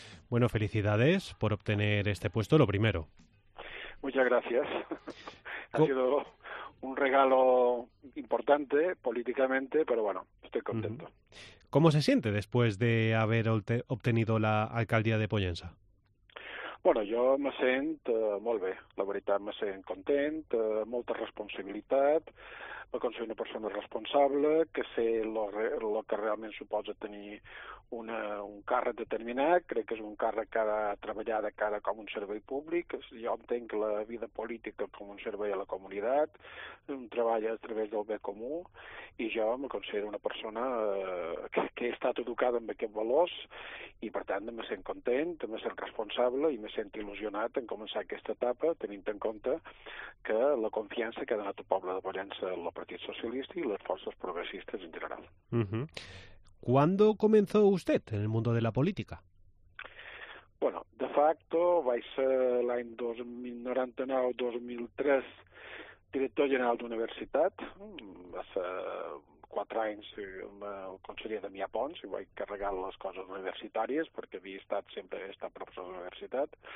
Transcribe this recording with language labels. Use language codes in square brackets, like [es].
[es] Bueno, felicidades por obtener este puesto, lo primero. Muchas gracias. Ha sido un regalo importante políticamente, pero bueno, estoy contento. ¿Cómo se siente después de haber obtenido la alcaldía de Pollença? [ca] Bueno, jo me sent molt bé, la veritat, me sent content, molta responsabilitat, perquè soc una persona responsable, que sé el que realment suposa tenir un càrrec determinat, crec que és un càrrec que ha de treballar de cara com un servei públic, jo entenc la vida política com un servei a la comunitat, un treball a través del bé comú, i jo me considero una persona que he estat educada amb aquests valors i, per tant, me sent content, me sent responsable i me sent il·lusionat en començar aquesta etapa, tenint en compte que la confiança que ha donat el poble de Pollença al Partit Socialista i les forces progressistes en general. [es] ¿Cuándo comenzó usted en el mundo de la política? [ca] Bueno, de facto, va ser l'any 1999-2003 director general d'universitat, va ser 4 anys amb el conseller Damià Pons i vaig carregar les coses universitàries perquè havia estat sempre estat professor d'universitat.